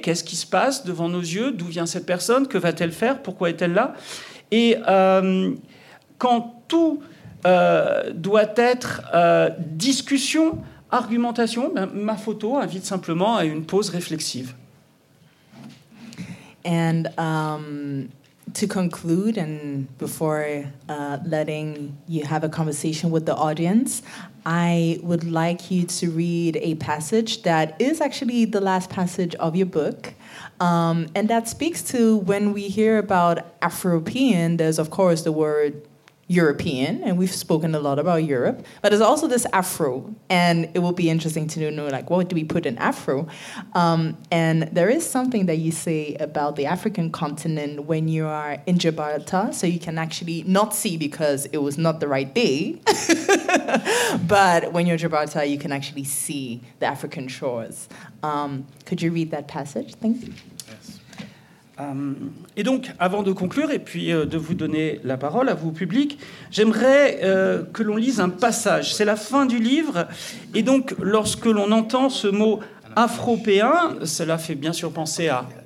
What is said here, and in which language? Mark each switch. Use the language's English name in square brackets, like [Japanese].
[French] Qu'est-ce qui se passe devant nos yeux? D'où vient cette personne? Que va-t-elle faire? Pourquoi est-elle là? Et quand tout doit être discussion, argumentation, ben, ma photo invite simplement à une pause réflexive. [English] And to conclude, and before letting you have a conversation with the audience, I would like you to read a passage that is actually the last passage of your book, and that speaks to when we hear about Afro-European, there's of course the word European, and we've spoken a lot about Europe, but there's also this Afro, and it will be interesting to know, like, what do we put in Afro? And there is something that you say about the African continent when you are in Gibraltar, so you can actually not see because it was not the right day, but when you're in Gibraltar, you can actually see the African shores. Could you read that passage? Thank you. [French] Et donc, avant de conclure et puis de vous donner la parole à vous, public, j'aimerais que l'on lise un passage. C'est la fin du livre. Et donc, lorsque l'on entend ce mot afropéen, cela fait bien sûr penser à